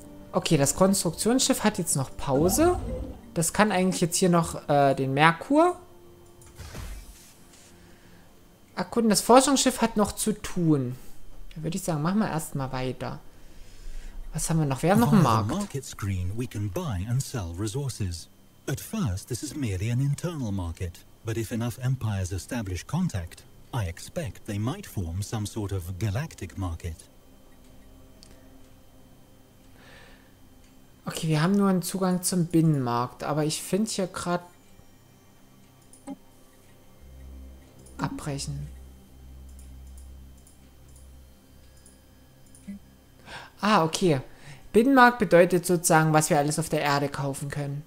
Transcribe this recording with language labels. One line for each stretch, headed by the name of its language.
German: Okay, das Konstruktionsschiff hat jetzt noch Pause. Das kann eigentlich jetzt hier noch den Merkur erkunden. Das Forschungsschiff hat noch zu tun. Da würde ich sagen, machen wir erstmal weiter. Was haben wir noch? Wir haben noch einen Markt.
English: Via market screen we can buy and sell resources. At first this is merely an internal market. But if enough empires establish contact, I expect they might form some sort of galactic market.
German: Okay, wir haben nur einen Zugang zum Binnenmarkt, aber ich finde hier gerade... Abbrechen. Ah, okay. Binnenmarkt bedeutet sozusagen, was wir alles auf der Erde kaufen können.